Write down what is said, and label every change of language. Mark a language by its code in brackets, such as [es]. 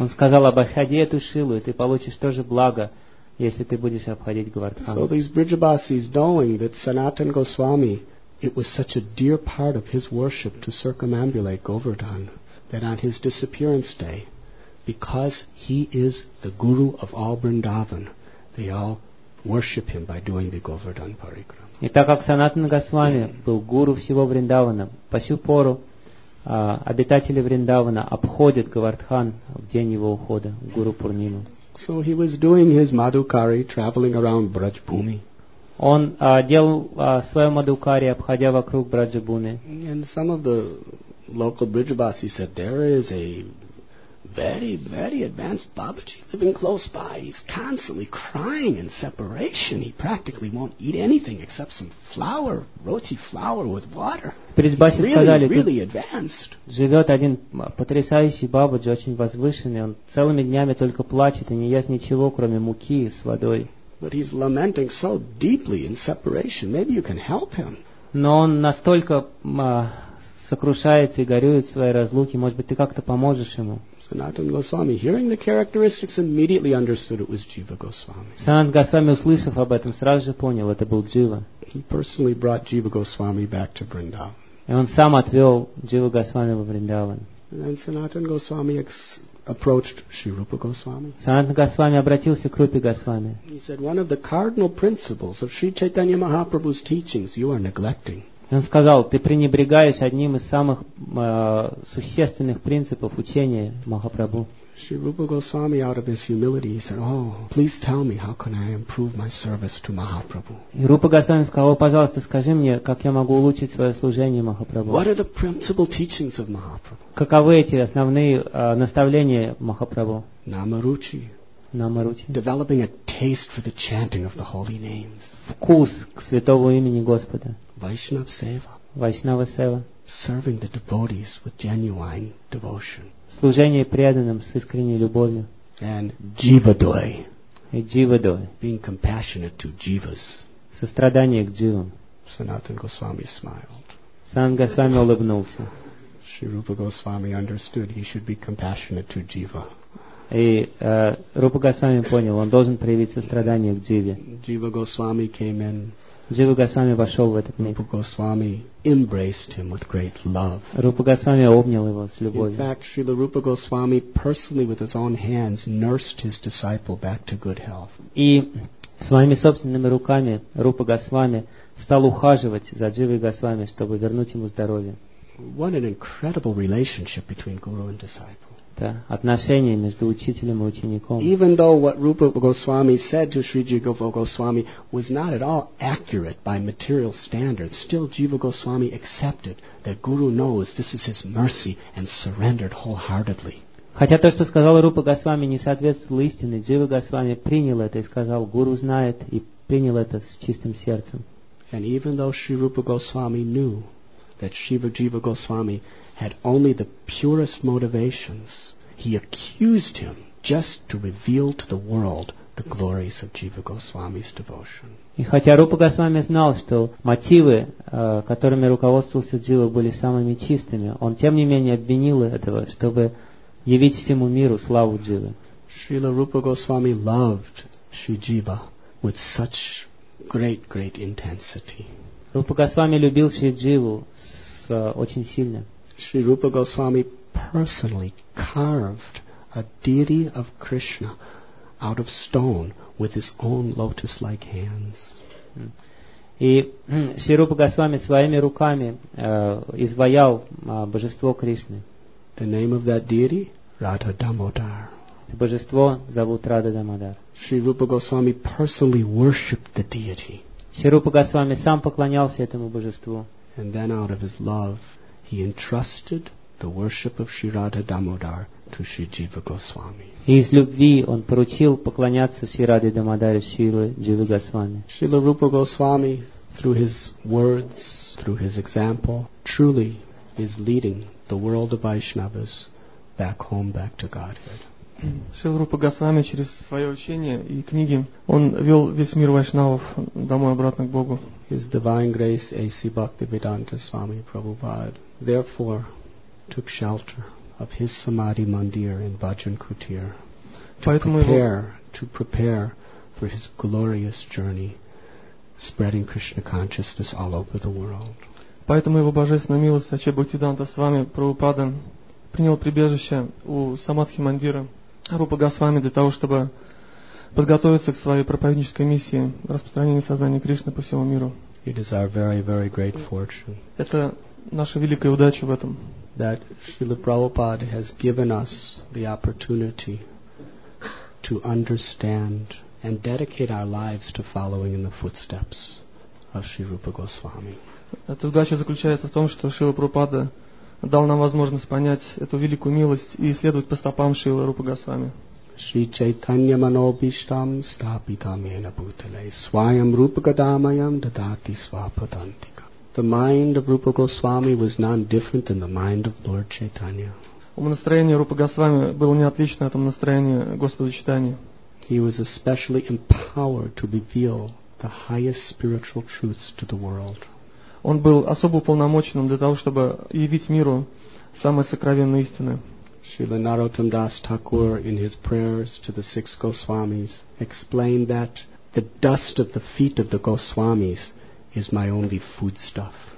[ru] Он сказал: обходи эту Шилу, и ты получишь тоже благо, если ты будешь обходить Говардхан. [en] So these Brijabasis, knowing that Sanatan Goswami, it was such a dear part of his worship to circumambulate Govardhan, that on his disappearance day, because he is the guru of all Vrindavan, they all worship him by doing the Govardhan Parikrama. [ru] И так как Санатан Госвами был гуру всего Вриндавана, по сию пору обитатели Вриндавана обходят Говардхан в день его ухода, гуру Пурнима. [en] So he was doing his Madhukari, traveling around Брадж-Бхуми. [ru] Он делал свое Мадхукари, обходя вокруг Брадж-Бхуми. [en] And some of the local Brijabasi said, there is a very, very advanced Babaji living close by. He's constantly crying in separation. He practically won't eat anything except some flour, roti flour with water. [ru] Брижбаси сказали, [en] really advanced. [ru] Живет один потрясающий Бабаджи, очень возвышенный. Он целыми днями только плачет и не ест ничего, кроме муки с водой. [en] But he's lamenting so deeply in separation. Maybe you can help him. [ru] Но он настолько сокрушается и горюет в своей разлуке. Может быть, ты как-то поможешь ему? [en] Sanatan Goswami, hearing the characteristics, immediately understood it was Jiva Goswami. [ru] Sanatan Goswami, услышав об этом, сразу же понял, это был Джива. [en] He personally brought Jiva Goswami back to Vrindavan. [ru] И он сам отвел Джива Госвами во Вриндаван. [en] Then Sanatan Goswami approached Sri Rupa Goswami. [ru] Sanatan Goswami обратился к Рупе Госвами. [en] He said, one of the cardinal principles of Sri Chaitanya Mahaprabhu's teachings you are neglecting. [ru] Он сказал, ты пренебрегаешь одним из самых существенных принципов учения Махапрабху. [en] Шри Рупа Госвами, out of his humility, he said, oh, please tell me, how can I improve my service to Mahaprabhu? [ru] И Рупа Госвами сказал, пожалуйста, скажи мне, как я могу улучшить свое служение Махапрабху. [en] What are the principal teachings of Mahaprabhu? [ru] Каковы эти основные наставления Махапрабху? Намаручи. Намаручи. [en] Developing a taste for the chanting of the holy names. [ru] Вкус к святому имени Господа. [en] Vaishnava Seva. [ru] Vaishnava Seva. [en] Serving the devotees with genuine devotion. [ru] Служение преданным с искренней любовью. [en] And jivadoy. [ru] И jivadoy. [en] Being compassionate to jivas. [ru] Сострадание к дживам. [en] Sanatan Goswami smiled. [ru] Sanatan Goswami улыбнулся. [en] Shri Rupa Goswami understood he should be compassionate to jiva. [ru] И Рупа Госвами понял, он должен проявить сострадание к дживе. [en] Jiva Goswami came in. [ru] Jiva Goswami вошел в этот мир. [en] Rupa Goswami embraced him with great love. [ru] Рупа Госвами обнял его с любовью. [en] In fact, Srila Rupa Goswami personally with his own hands nursed his disciple back to good health. [ru] И своими собственными руками Рупа Госвами стал ухаживать за Дживой Госвами, чтобы вернуть ему здоровье. [en] What an incredible relationship between guru and disciple. [ru] Отношения между учителем и учеником. [en] Even though what Rupa Goswami said to Sri Jiva Goswami was not at all accurate by material standards, still Jiva Goswami accepted that Guru knows this is his mercy and surrendered wholeheartedly. [ru] Хотя то, что сказал Рупа Госвами, не соответствовало истине, Джива Госвами принял это и сказал, Гуру знает и принял это с чистым сердцем. [en] And even though Sri Rupa Goswami knew that Shiva Jiva Goswami had only the purest motivations, he accused him just to reveal to the world the glories of Jiva Goswami's devotion. [ru] И хотя Рупа Госвами знал, что мотивы, которыми руководствовался Джива, были самыми чистыми, он тем не менее обвинил этого, чтобы явить всему миру славу Дживы. [en] Srila Rupa Goswami loved Shri Jiva with such great, great intensity. [ru] Рупа Госвами любил Шри Дживу очень сильно. [en] Шри Рупа Госвами personally carved a deity of Krishna out of stone with his own lotus-like hands. [ru] И Шри Рупа Госвами своими руками изваял божество Кришны. [en] The name of that deity? Radha Damodar. [ru] Божество зовут Радха Дамодар. [en] Шри Рупа Госвами personally worshipped the deity. [ru] Шри Рупа Госвами сам поклонялся этому божеству. [en] And then out of his love, he entrusted the worship of Shri Radha Damodar to Shri Jiva Goswami. [ru] Из любви он поручил поклоняться Шри Радхе Дамодаре Шри Джива Госвами. [en] Шрила Рупа Госвами, through his words, through his example, truly is leading the world of Vaishnavas back home, back to Godhead. [ru] Шрила Рупа Госвами через свое учение и книги он вел весь мир вайшнавов домой обратно к Богу. [en] His divine grace, A.C. Bhaktivedanta Swami Prabhupada, therefore took shelter of his Samadhi Mandir in Vajan Kutir to prepare for his glorious journey, spreading Krishna consciousness all over the world. [ru] Поэтому его божественная милость, А.C. Bhaktivedanta Swami Prabhupada, принял прибежище у Самадхи Мандира Рупа Госвами для того, чтобы подготовиться к своей проповеднической миссии распространения сознания Кришны по всему миру. [en] It is our very, very great fortune. [ru] Это наша великая удача в этом. [en] That Srila Prabhupada has given us the opportunity to understand and dedicate our lives to following in the footsteps of Sri Rupa Goswami. [ru] Эта удача заключается в том, что Шрила Прабхупада дал нам возможность понять эту великую милость и следовать по стопам Шрила Рупа Госвами. [sa] Shri Chaitanya Manobhishtam Stapitam Yena Bhutale Swayam Rupa Gadamayam Dadati Svapadantika. [en] The mind of Rupa Goswami was none different than the mind of Lord Chaitanya. [ru] Настроение Рупа Госвами было не отлично от настроения Господа Чайтаньи. [en] He was especially empowered to reveal the highest spiritual truths to the world. [ru] Он был особо уполномоченным для того, чтобы явить миру самые сокровенные истины. [en] Srila Narottam Das Thakur, in his prayers to the six Goswamis, explained that the dust of the feet of the Goswamis is my only foodstuff.